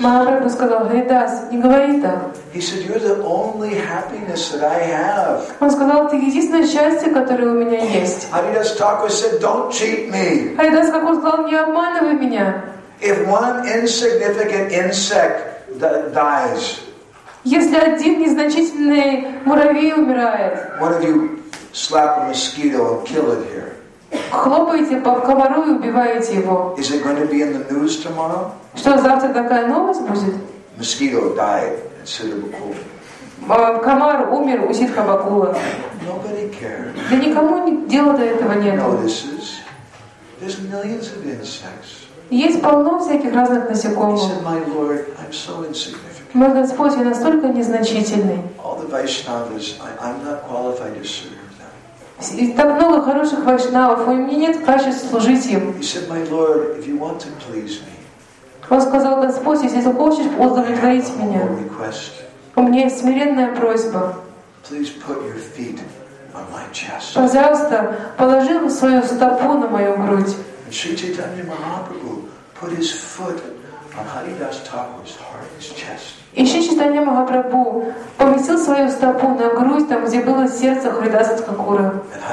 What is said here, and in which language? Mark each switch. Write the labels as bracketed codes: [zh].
[ru] Махапрабху сказал, Харидас, не говори так. [en] He said, you're the only happiness that I have. [ru] Он сказал, ты единственное счастье, которое у меня есть. [en] Haridas Thakur said, don't cheat me. [ru] Харидас Тхакур сказал, не обманывай меня. [en] If one insignificant insect dies, [ru] если один незначительный муравей умирает, [en] what if you slap a mosquito and kill it here? [ru] Хлопаете по комару и убиваете его. [en] Is it going to be in the news tomorrow? [ru] Что, завтра такая новость будет? [en] Mosquito died at Sitabakul. [ru] Комар умер у Ситхабакула. [en] Nobody cares. [ru] Да никому дела до этого нет. [en] Notices. There's millions of insects. [ru] Есть полно всяких разных насекомых. [en] He said, my Lord, I'm so insignificant. [ru] Мой Господь, я настолько незначительный. [en] All the Vaishnavas, I'm not qualified to serve. [ru] И так много хороших вайшнавов, у меня нет качества служить им. [en] He said, my Lord, if you want to please me, [ru] он сказал, Господь, если ты хочешь удовлетворить меня, у меня есть смиренная просьба. [en] Please put your feet on my chest. [ru] Пожалуйста, положи свою стопу на мою грудь. [en] And Sri Chaitanya Mahaprabhu put his foot on Haridas Thakur's heart, his chest. [ru] И Шри Чайтанья Махапрабху поместил свою стопу на грудь, там, где было сердце Харидаса Тхакура.